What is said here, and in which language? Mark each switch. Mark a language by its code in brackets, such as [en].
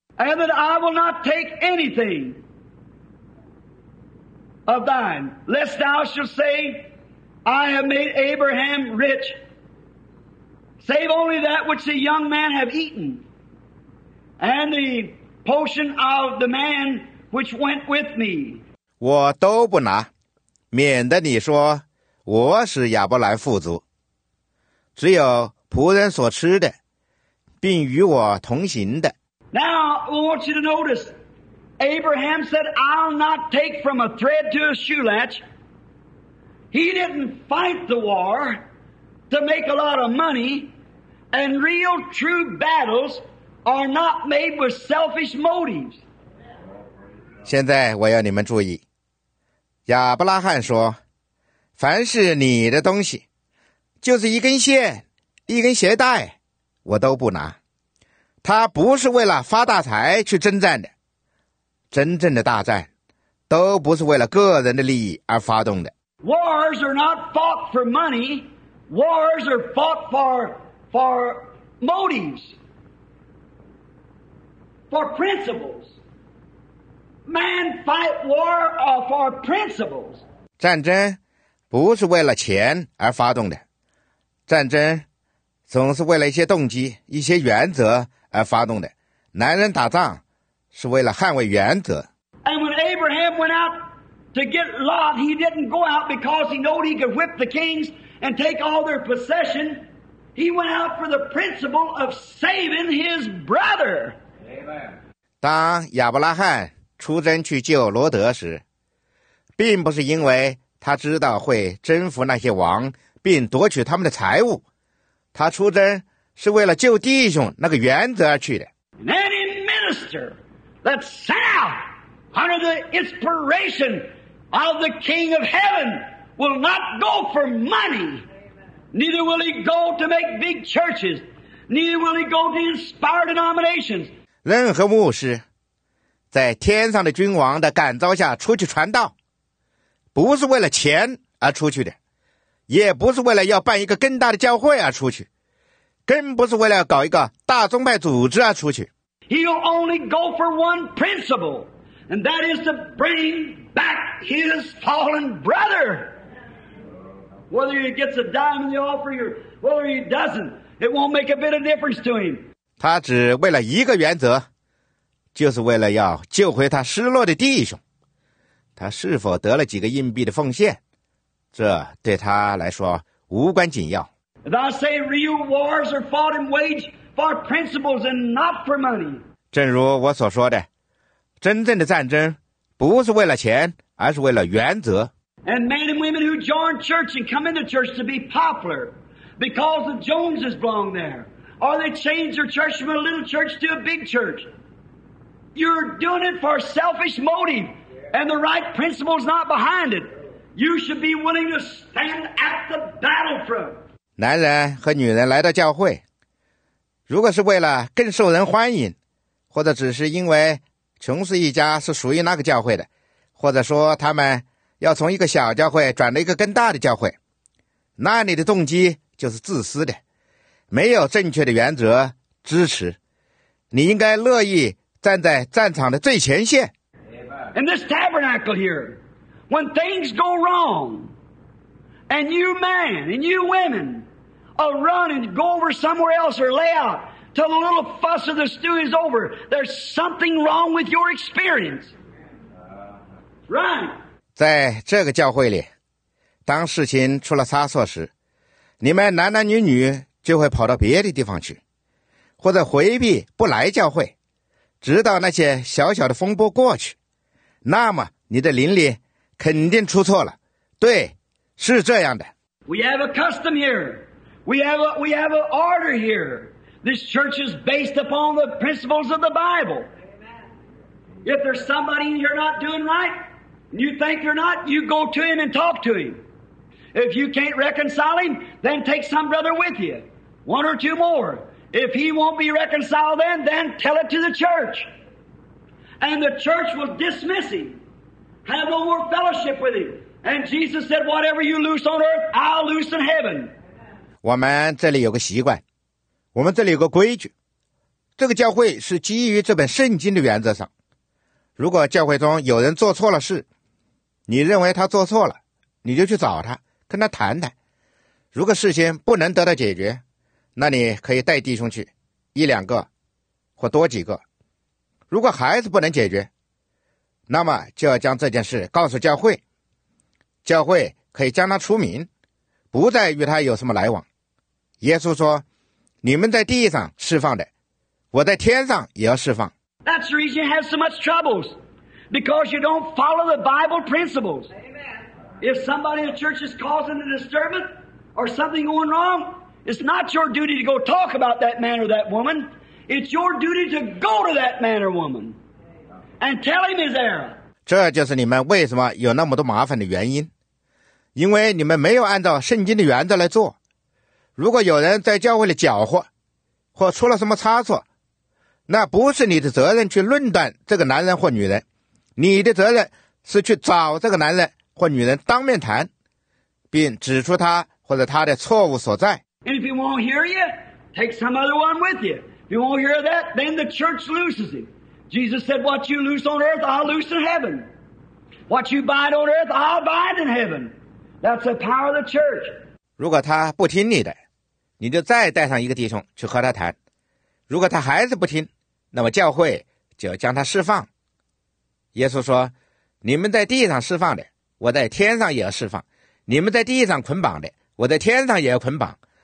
[en] And that I will not take anything of thine, lest thou shalt say, I have made Abraham rich, save only that which the young man have eaten, and the portion of the man. Which went with me. [zh] 我都不拿，免得你说我使亚伯兰富足，只有仆人所吃的并与我同行的。 [en] Now I want you to notice, Abraham said, I'll not take from a thread to a shoe latch. He didn't fight the war to make a lot of money, and real true battles are not made with selfish motives. [zh] 现在我要你们注意，亚伯拉罕说，凡是你的东西，就是一根线一根鞋带我都不拿。他不是为了发大财去征战的，真正的大战都不是为了个人的利益而发动的。 [en] Wars are not fought for money, wars are fought for motives, for principles. Man fight war for principles. [zh] 战争不是为了钱而发动的，战争总是为了一些动机、一些原则而发动的。男人打仗是为了捍卫原则。 [en] And when Abraham went out to get Lot, he didn't go out because he knew he could whip the kings and take all their possession. He went out for the principle of saving his brother. Amen. [zh] 当亚伯拉罕出征去救罗德时，并不是因为他知道会征服那些王并夺取他们的财物，他出征是为了救弟兄那个原则而去的。 [en] And any minister that set out under the inspiration of the King of Heaven will not go for money. Neither will he go to make big churches. Neither will he go to inspire denominations. [zh] 任何牧师在天上的君王的感召下出去传道，不是为了钱而出去的，也不是为了要办一个更大的教会而出去，更不是为了搞一个大宗派组织而出去。 [en] He'll only go for one principle, and that is to bring back his fallen brother. Whether he gets a dime in the offering or whether he doesn't, it won't make a bit of difference to him. [zh] 他只为了一个原则，就是为了要救回他失落的弟兄。他是否得了几个硬币的奉献，这对他来说无关紧要。 [en] Thou say real wars are fought and waged for principles and not for money. [zh] 正如我所说的，真正的战争不是为了钱，而是为了原则。 [en] And men and women who join church and come into church to be popular because the Joneses belong there. Or they change their church from a little church to a big church. You're doing it for selfish motive and the right principle's not behind it. You should be willing to stand at the battlefront. [zh] 男人和女人来到教会，如果是为了更受人欢迎，或者只是因为琼斯一家是属于那个教会的，或者说他们要从一个小教会转到一个更大的教会，那里的动机就是自私的，没有正确的原则支持。你应该乐意站在战场的最前线。 [en] In this tabernacle here, when things go wrong, and you men and you women will run and go over somewhere else or lay out till the little fuss of the stew is over, there's something wrong with your experience. Run. [zh] 在这个教会里，当事情出了差错时，你们男男女女就会跑到别的地方去，或者回避不来教会，直到那些小小的风波过去，那么你的邻里肯定出错了。对，是这样的。 [en] We have a custom here. We have an order here. This church is based upon the principles of the Bible. If there's somebody you're not doing right, and you think they're not, you go to him and talk to him. If you can't reconcile him, then take some brother with you. One or two more. If he won't be reconciled then tell it to the church. And the church will dismiss him. Have no more fellowship with him. And Jesus said, whatever you loose on earth, I'll loose in heaven. [zh] 我们这里有个习惯，我们这里有个规矩，这个教会是基于这本圣经的原则上。如果教会中有人做错了事，你认为他做错了，你就去找他，跟他谈谈。如果事情不能得到解决，那你可以带弟兄去，一两个，或多几个。如果孩子不能解决，那么就要将这件事告诉教会，教会可以将他除名，不再与他有什么来往。耶稣说，你们在地上释放的，我在天上也要释放。 [en] That's the reason you have so much troubles, because you don't follow the Bible principles. Amen. If somebody in the church is causing a disturbance or something going wrong, it's not your duty to go talk about that man or that woman. It's your duty to go to that man or woman and tell him his error. [zh] 这就是你们为什么有那么多麻烦的原因，因为你们没有按照圣经的原则来做。如果有人在教会里搅和，或出了什么差错，那不是你的责任去论断这个男人或女人，你的责任是去找这个男人或女人当面谈，并指出他或者他的错误所在。 [en] And if he won't hear you, take some other one with you. If he won't hear that, then the church loses him. Jesus said, what you loose on earth, I'll loose in heaven. What you bind on earth, I'll bind in heaven. That's the power of the church. [zh] 如果他不听你的，你就再带上一个弟兄去和他谈。如果他还是不听，那么教会就将他释放。耶稣说，你们在地上释放的，我在天上也要释放。你们在地上捆绑的，我在天上也要捆绑。